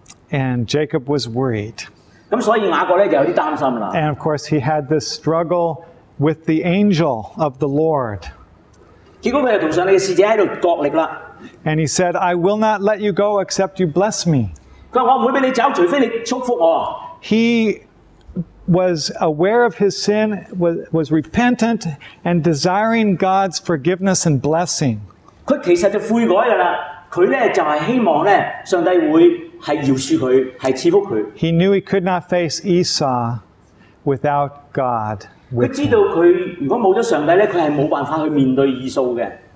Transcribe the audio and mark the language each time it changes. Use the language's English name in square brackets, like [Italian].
[English] And Jacob was worried. [Cantonese] 咁所以雅各咧就有啲擔心啦。 [English] And of course, he had this struggle with the angel of the Lord. [Cantonese] 結果佢又同上帝嘅使者喺度角力啦。 [English] And he said, I will not let you go except you bless me. [Cantonese] 佢話我唔會俾你走，除非你祝福我。 [English] He was aware of his sin, was repentant and desiring God's forgiveness and blessing. [Cantonese] 佢其實就悔改噶啦，佢咧就係希望咧上帝會係饒恕佢，係賜福佢。 [English] He knew he could not face Esau without God. [Cantonese] 佢知道佢如果冇咗上帝咧，佢系冇办法去面对以扫嘅。